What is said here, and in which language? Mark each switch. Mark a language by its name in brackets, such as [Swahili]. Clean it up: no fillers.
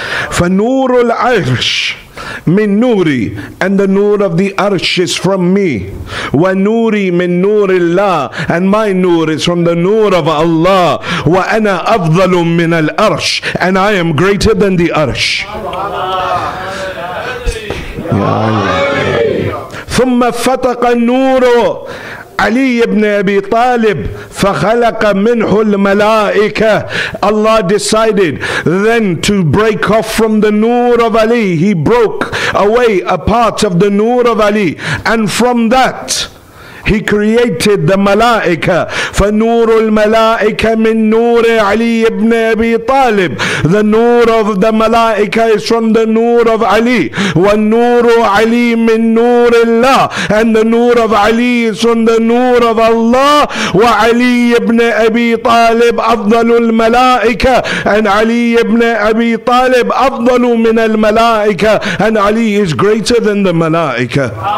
[Arabic] فَنُورُ الْعَرْشِ مِنْ نُورِي. [English] And the nur of the arsh is from me. وَنُورِي مِنْ نُورِ اللَّهِ. And my nur is from the nur of Allah. [Arabic] وَأَنَا أَفْضَلُ مِنَ الْعَرْشِ. [English] And I am greater than the arsh. [Arabic] ثم فتق النور علي بن أبي طالب فخلق منه الملائكة. [English] Allah decided then to break off from the nur of Ali. He broke away a part of the nur of Ali, and from that he created the malaika. [Arabic] فَنُورُ الْمَلَائِكَ مِن نُورِ عَلِي ابْنِ أَبِي طَالِبِ. [English] The nur of the malaika is from the nur of Ali. وَالنُورُ عَلِي مِن نُورِ اللَّهِ. And the nur of Ali is from the nur of Allah. [Arabic] وَعَلِي ابْنِ أَبِي طَالِبِ أَفْضَلُ الْمَلَائِكَ. And Ali ابْنِ أَبِي طَالِبِ أَفْضَلُ مِنَ الْمَلَائِكَ. [English] And Ali is greater than the malaika.